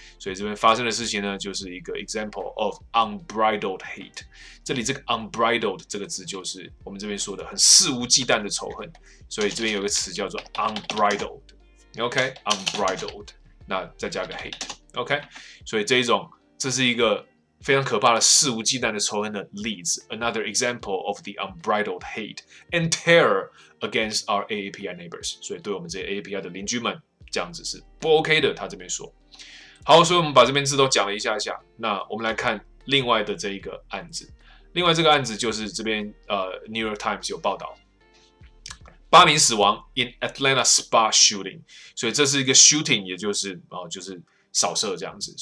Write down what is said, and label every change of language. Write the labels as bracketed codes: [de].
[zh] 所以这边发生的事情呢，就是一个 [en] example of unbridled hate。 [zh] 这里这个 unbridled 这个字就是我们这边说的很肆无忌惮的仇恨，所以这边有个词叫做 unbridled。 OK， unbridled。 那再加个 hate，OK，、okay? 所以这是一个非常可怕的肆无忌惮的仇恨的例子 ， [en] another example of the unbridled hate and terror against our AAPI neighbors。 [zh] 所以对我们这些 AAPI 的邻居们，这样子是不 OK 的。他这边说，好，所以我们把这边字都讲了一下下。那我们来看另外的这一个案子，另外这个案子就是这边New York Times 有报道。八名死亡 [en] in Atlanta spa shooting， [zh] 所以这是一个 shooting， 也就是扫射这样子。